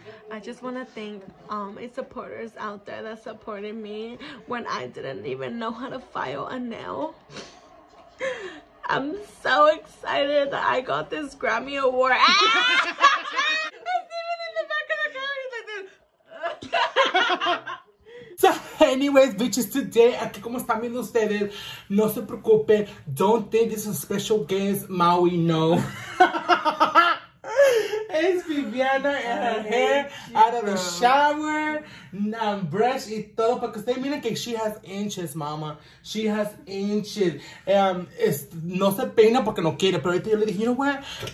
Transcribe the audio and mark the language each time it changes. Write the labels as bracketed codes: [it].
[en] I just want to thank all my supporters out there that supported me when I didn't even know how to file a nail. I'm so excited that I got this Grammy Award. Estevan in the back of the car, he's like this. So, anyways, bitches, today, [es] aquí como están viendo ustedes, no se preocupen. [en] Don't think this is a special guest, Maui, no. It's Viviana and her hair out of the shower, and brush [es] y todo, porque ustedes miren que [en] she has inches, mama. She has inches. [es] No se peina porque no quiere, pero ahorita yo le dije, [en] you know what?